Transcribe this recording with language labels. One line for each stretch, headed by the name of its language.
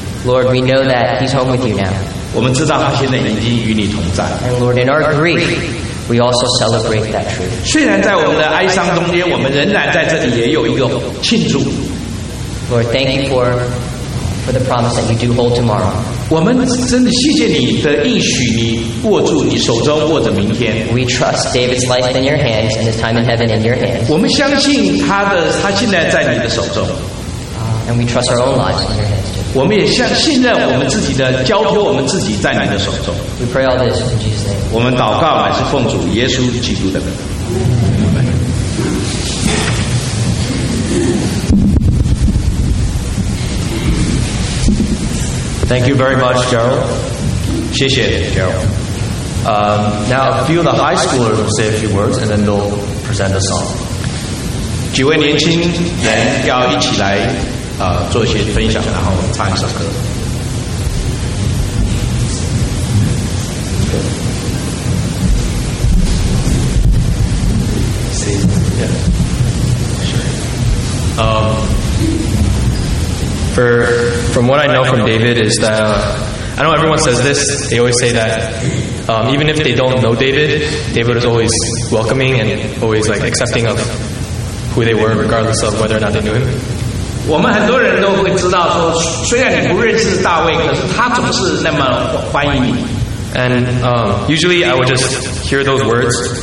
English: Lord, we know that he's home with you now.
Chinese: 我们知道他现在已经与你同在。
English: And Lord, in our grief, we also celebrate that truth.
Chinese: 虽然在我们的哀伤中间，我们仍然在这里也有一个庆祝。
English: Lord, thank you for the promise that you do hold tomorrow.
Chinese: 我们真的谢谢你的应许，你握住你手中握着明天。
English: We trust David's life in your hands and his time in heaven in your hands.
Chinese: 我们相信他现在在你的手中。
English: And we trust our own lives in your hands.
Chinese: 我们也信任我们自己的交托，我们自己在你的手中。
English: We pray all this in Jesus' name.
Chinese: 我们祷告乃是奉主耶稣基督的名。
English: Thank you very much, Gerald.
Chinese: 谢谢 Gerald.
English: Now, a few of the high schoolers will say a few words, and then they'll present a song.
Chinese: 几位年轻人要一起来做一些分享，然后唱一首歌。
English: From what I know from David is that I know everyone says this. They always say that even if they don't know David, David is always welcoming and always like accepting of who they were, regardless of whether or not they knew him.
Chinese: 我们很多人都会知道说，虽然你不认识大卫，可是他总是那么欢迎你。
English: And usually I would just hear those words.